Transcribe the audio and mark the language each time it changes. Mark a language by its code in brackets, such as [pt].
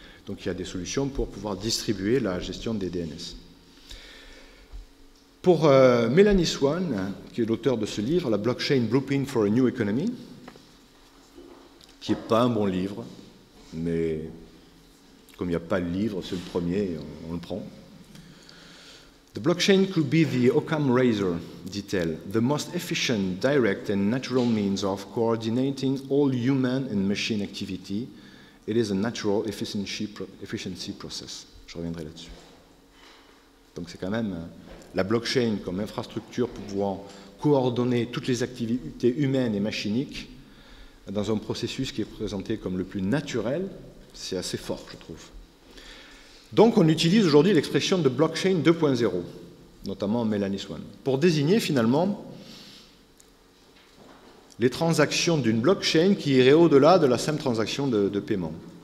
[fr] Donc il y a des solutions pour pouvoir distribuer la gestion des DNS. Pour Melanie Swan, qui est l'auteur de ce livre, La Blockchain Blueprint for a New Economy, qui n'est pas un bon livre, mais comme il n'y a pas le livre, c'est le premier, on le prend. [en] The blockchain could be the Occam razor, [fr] dit-elle, [en] the most efficient, direct and natural means of coordinating all human and machine activity. It is a natural efficiency process. [fr] Je reviendrai là-dessus. Donc c'est quand même la blockchain comme infrastructure pour pouvoir coordonner toutes les activités humaines et machiniques dans un processus qui est présenté comme le plus naturel. C'est assez fort, je trouve. Donc, on utilise aujourd'hui l'expression de blockchain 2.0, notamment Melanie Swan, pour désigner finalement les transactions d'une blockchain qui irait au-delà de la simple transaction de paiement.